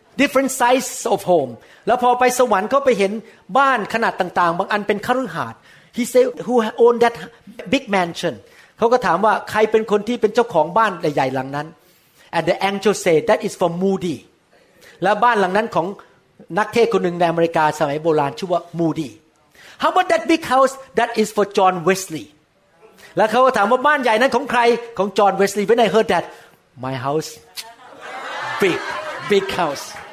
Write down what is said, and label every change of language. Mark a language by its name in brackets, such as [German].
[English] different sizes of home. [Thai] แล้วพอไปสวรรค์ก็ไปเห็นบ้านขนาดต่างๆบางอันเป็นคฤหาสน์ [English] He said who owned that big mansion. [Thai] เขาก็ถามว่าใครเป็นคนที่เป็นเจ้าของบ้านใหญ่ๆหลังนั้น [English] And the angel said that is for Moody. [Thai] และบ้านหลังนั้นของนักเทศน์คนหนึ่งในอเมริกาสมัยโบราณชื่อว่า Moody. [English] How about that big house that is for John Wesley? [Thai] แล้วเขาก็ถามว่าบ้านใหญ่นั้นของใครของจอห์นเวสลีย์ [English] When I heard that my house big house